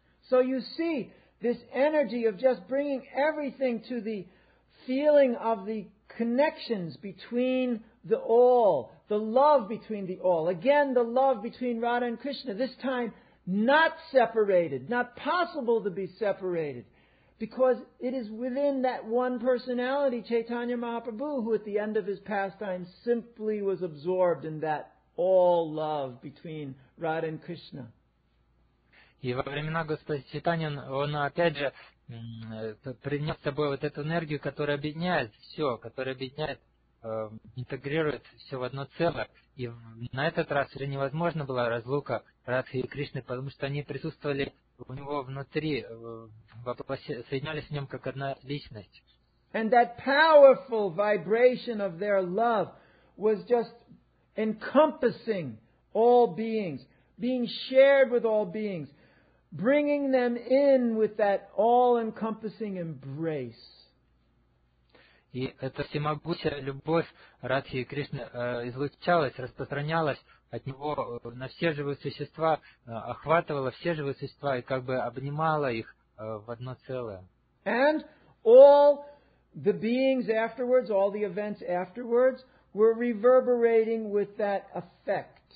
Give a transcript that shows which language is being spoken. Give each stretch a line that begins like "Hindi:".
English: So you see, this energy of just bringing everything to the feeling of the connections between the all, the love between the all, again, the love between Radha and Krishna, this time not separated, not possible to be separated, because it is within that one personality, Chaitanya Mahaprabhu, who at the end of his pastime simply was absorbed in that all love between Radha and Krishna.
Russian: И во времена Господа Чайтанья он опять же принес с собой вот эту энергию, которая объединяет все, которая объединяет, интегрирует все в одно целое. И на этот раз уже невозможно была разлука Радхи и Кришны, потому что они присутствовали у него внутри, соединялись в нем как одна личность.
English: And that powerful vibration of their love was just encompassing all beings, being shared with all beings, bringing them in with that all-encompassing embrace.
Russian: И эта всемогущая любовь Радхи и Кришны излучалась, распространялась от него на все живые существа, охватывала все живые существа и как бы обнимала их в одно целое.
English: And all the beings afterwards, all the events afterwards, were reverberating with that effect.